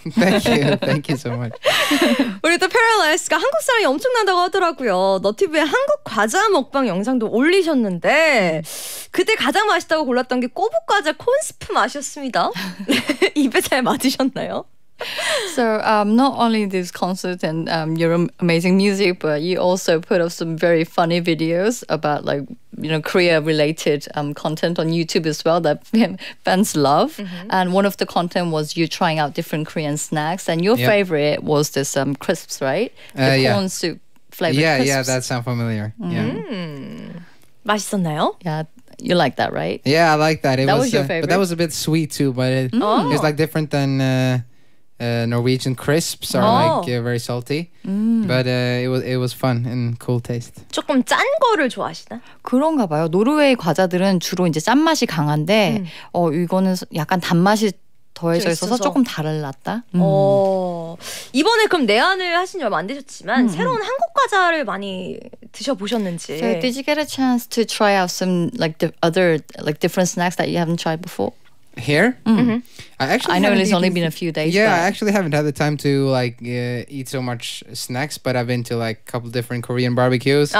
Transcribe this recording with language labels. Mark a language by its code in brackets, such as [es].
[en] Thank you so much. [ko] 우리 또 Peder Elias가 한국 사람이 엄청난다고 하더라고요. 너튜브에 한국 과자 먹방 영상도 올리셨는데 그때 가장 맛있다고 골랐던 게 꼬부과자 콘스프 맛이었습니다. 입에 잘 맞으셨나요? [en] So So not only this concert and your amazing music, but you also put up some very funny videos about like, you know, Korea-related content on YouTube as well that fans love. Mm-hmm. And one of the content was you trying out different Korean snacks. And your favorite was this crisps, right? The corn soup flavored crisps. Yeah, that sounds familiar. Mm-hmm. Yeah. [ko] 맛있었나요? [en] Yeah. You like that, right? Yeah, I like that. That was your favorite. But that was a bit sweet too, but it was like different than Norwegian crisps are like very salty. But it was fun and cool taste. [ko] 조금 짠 거를 좋아하시나? 그런가 봐요. 노르웨이 과자들은 주로 이제 짠맛이 강한데 이거는 약간 단맛이 더해져 있어서 조금 달랐다. 이번에 그럼 내한을 하신 지 얼마 안 되셨지만 새로운 한국 과자를 많이 드셔보셨는지. [en] So did you get a chance to try out some like the other like different snacks that you haven't tried before? Here? Mm-hmm. I know it's only been a few days. Yeah, but I actually haven't had the time to like eat so much snacks, but I've been to like a couple different Korean barbecues.